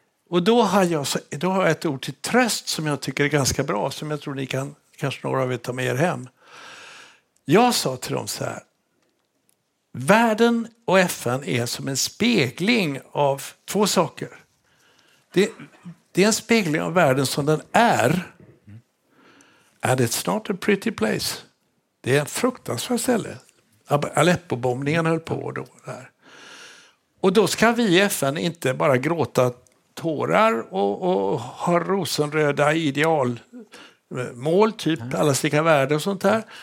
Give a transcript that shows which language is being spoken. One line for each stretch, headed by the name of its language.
Swedish: Och då har jag ett ord till tröst som jag tycker är ganska bra, som jag tror ni kan, kanske några av er, ta med er hem. Jag sa till dem så här: världen och FN är som en spegling av två saker. Det är en spegling av världen som den är.
English: And it's not a pretty place.
Swedish: Det är en fruktansvärt ställe. Aleppo-bombningen höll på då. Där. Och då ska vi i FN inte bara gråta tårar och ha rosenröda idealmål, typ alla lika värde och sånt där.